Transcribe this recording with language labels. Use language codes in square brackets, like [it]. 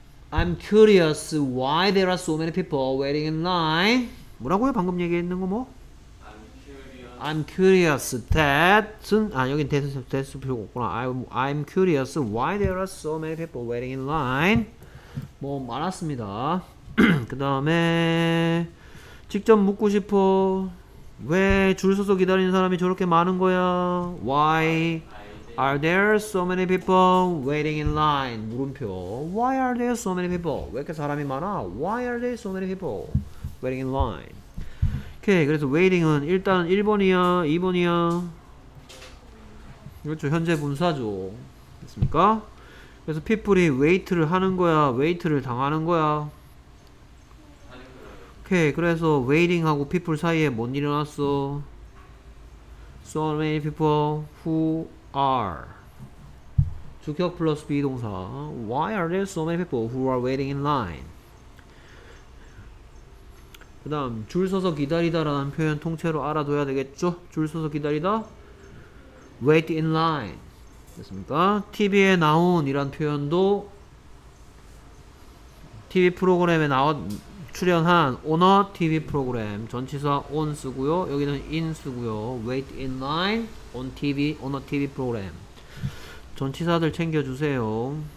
[en] I'm curious why there are so many people waiting in line. [ko] 뭐라고요? 방금 얘기했는 거 뭐? [en] I'm curious that은 [ko] 아 여긴 that 필요 없구나. [en] I'm curious why there are so many people waiting in line. [ko] 뭐 많았습니다. 그 다음에 직접 묻고 싶어. 왜 줄 서서 기다리는 사람이 저렇게 많은 거야? [en] Why? Are there so many people waiting in line? [ko] 물음표. [en] Why are there so many people? [ko] 왜 이렇게 사람이 많아? [en] Why are there so many people waiting in line? [ko] 오케이. 그래서 waiting은 일단 1번이야? 2번이야? 그렇죠. 현재 분사죠. 됐습니까? 그래서 people이 wait를 하는 거야? wait를 당하는 거야? 오케이. 그래서 waiting하고 people 사이에 뭔 일이 일어났어? [en] So many people who are [ko] 주격 플러스 [en] be [ko] 동사. [en] Why are there so many people who are waiting in line? [ko] 그 다음 줄 서서 기다리다 라는 표현 통째로 알아둬야 되겠죠? 줄 서서 기다리다 [en] wait in line [ko] 됐습니까? TV에 나온 이란 표현도 TV 프로그램에 나온 출연한 오너 TV 프로그램 전치사 on쓰고요 여기는 in쓰고요 [en] wait in line on TV [ko] 오너 TV 프로그램 전치사들 챙겨주세요.